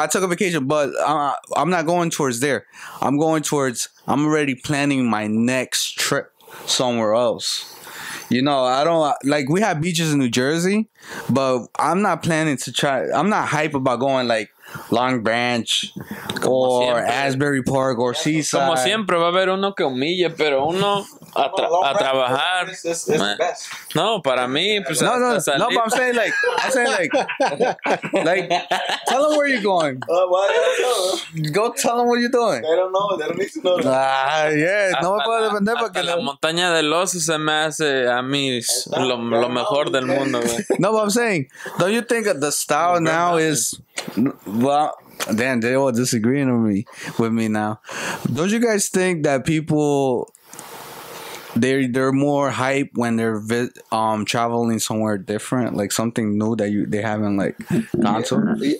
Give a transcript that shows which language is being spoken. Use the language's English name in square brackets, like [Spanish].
[English] I took a vacation, but I'm not going towards there. I'm already planning my next trip somewhere else. You know, I don't like we have beaches in New Jersey, but I'm not planning to try. I'm not hype about going like Long Branch or Asbury Park or Seaside. [Spanish] Como siempre va a haber uno que humille, pero uno a trabajar. No, para mí pues [English] no, but I'm saying like like tell them where you're going. Go tell them what you're doing. They don't need to know. [Spanish] Yeah, no me puedo defender. La montaña de los se me hace a mí lo mejor del mundo. [English] No, but I'm saying, don't you think the style now is well, damn, they all disagreeing with me now. Don't you guys think that people they're more hype when they're traveling somewhere different, like something new that they haven't like gone to?